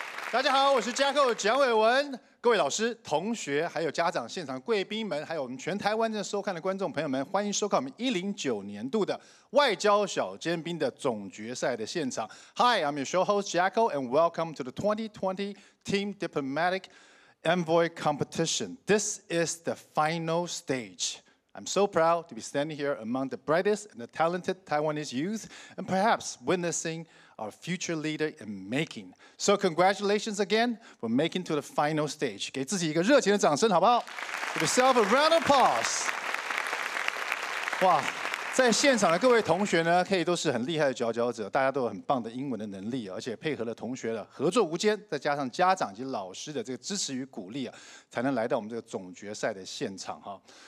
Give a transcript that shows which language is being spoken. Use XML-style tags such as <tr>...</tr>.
<zh>大家好，我是家寇蒋伟文。各位老师、同学，还有家长、现场贵宾们，还有我们全台湾正收看的观众朋友们，欢迎收看我们109年度的外交小尖兵的总决赛的现场。</zh> <en>Hi, I'm your show host Jacko, and welcome to the 2020 Team Diplomatic Envoy Competition. This is the final stage. I'm so proud to be standing here among the brightest and the talented Taiwanese youth, and perhaps witnessing our future leader in making. So congratulations again for making to the final stage.</en> <zh>给自己一个热情的掌声，好不好？</zh> <en>Give yourself a round of applause.</en> <zh>哇，在现场的各位同学呢，可以都是很厉害的佼佼者，大家都有很棒的英文的能力，而且配合了同学的合作无间，再加上家长及老师的这个支持与鼓励啊，才能来到我们这个总决赛的现场哈。</zh>